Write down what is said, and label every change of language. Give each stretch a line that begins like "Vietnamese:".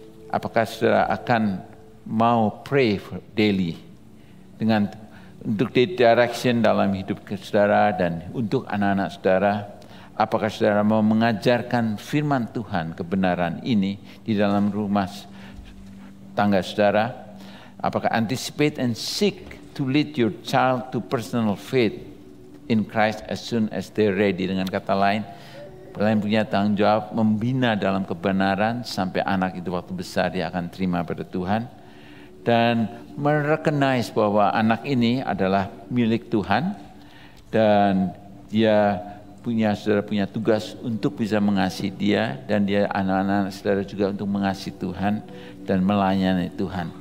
Indonesian: Apakah saudara akan mau
English: pray for daily
Indonesian: dengan untuk direction dalam hidup saudara dan untuk anak-anak saudara? Apakah saudara mau mengajarkan firman Tuhan kebenaran ini di dalam rumah tangga saudara? Apakah
English: anticipate and seek to lead your child to personal faith in Christ as soon as they're ready?
Indonesian: Dengan kata lain, kalian punya tanggung jawab membina dalam kebenaran sampai anak itu waktu besar dia akan terima pada Tuhan. Dan merecognize bahwa anak ini adalah milik Tuhan dan dia punya saudara punya tugas untuk bisa mengasihi dia dan dia anak-anak saudara juga untuk mengasihi Tuhan dan melayani Tuhan.